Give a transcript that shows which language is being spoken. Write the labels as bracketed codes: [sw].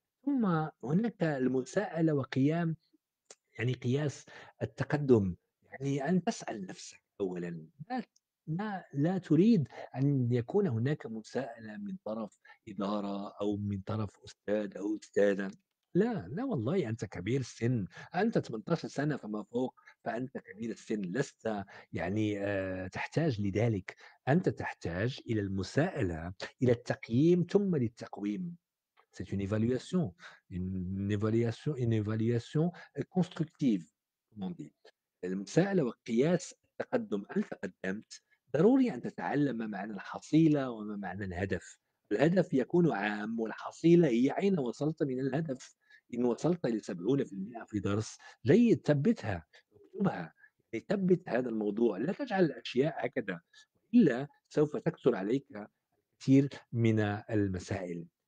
[ar] ثم هناك المساءلة وقيام يعني قياس التقدم، يعني أن تسأل نفسك أولا، لا تريد أن يكون هناك مساءلة من طرف إدارة أو من طرف أستاذ أو أستاذة، لا لا والله، أنت كبير السن، أنت 18 سنة فما فوق، فأنت كبير السن، لست يعني تحتاج لذلك، أنت تحتاج إلى المساءلة، إلى التقييم ثم للتقويم. [fr] C'est une évaluation, une évaluation constructive, comme on dit. [ar] المساءلة وقياس التقدم، هل تقدمت؟ ضروري أن تتعلم ما معنى الحصيلة وما معنى الهدف. الهدف يكون عام، والحصيلة هي أين وصلت من الهدف. إن وصلت إلى 70% في درس جيد، ثبتها، اكتبها، ثبت هذا الموضوع، لا تجعل الأشياء هكذا، إلا سوف تكثر عليك كثير من المسائل.